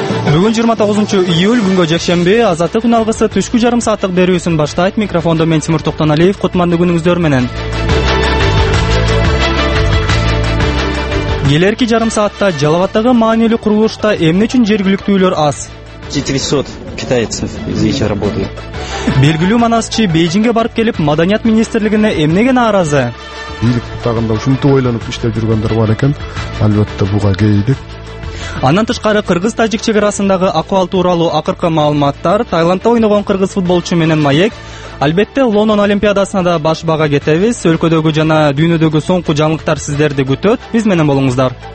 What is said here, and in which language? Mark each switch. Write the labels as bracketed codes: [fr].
[ky] Бүгүн 29-июль күнгө жекшемби, азаттык уналгысы түшкү жарым сааттык берүүсүн баштайт. Микрофондо мен Тимур Токтоналиев, кутмандуу күнүңүздөр менен. Келерки жарым саатта Жалабаттагы маанилүү курулушта эмне үчүн жергиликтүүлөр аз? [ru] 400 китайцев здесь работают. [ky] Белгилүү манасчы Бейжинге барып келип, маданият министрлигине эмнеге нааразы? Бийлик тагында ушинтип ойлонуп иштеп жүргөндөр бар экен. Албетте буга кейиди. Андан тышкары кыргыз-тажик чек арасындагы акыбал тууралуу акыркы маалыматтар, Тайландта ойногон кыргыз футболчу менен маек. Албетте Лондон Олимпиадасына да баш бага кетебиз. Өлкөдөгү жана дүйнөдөгү соңку жаңылыктар сиздерди күтөт. Биз менен болуңуздар.